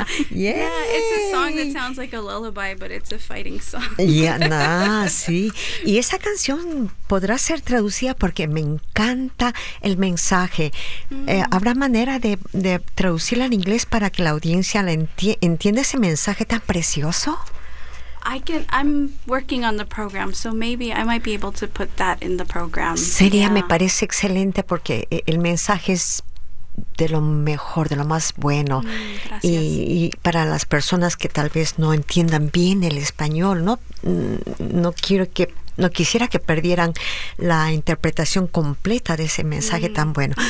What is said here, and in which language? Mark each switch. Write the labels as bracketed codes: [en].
[en] Yeah, it's a song that sounds like a lullaby, but it's a fighting song. Yeah, nah, [es] sí. Y esa canción podrá ser traducida porque me encanta el mensaje. Mm-hmm. ¿Habrá manera de traducirla en inglés para que la audiencia la entienda ese mensaje tan precioso? [en] I'm working on the program, so maybe I might be able to put that in the program. [es] Sería, [en] yeah. [es] Me parece excelente porque el mensaje es de lo mejor, de lo más bueno. Gracias. Y para las personas que tal vez no entiendan bien el español, no quisiera que perdieran la interpretación completa de ese mensaje tan bueno.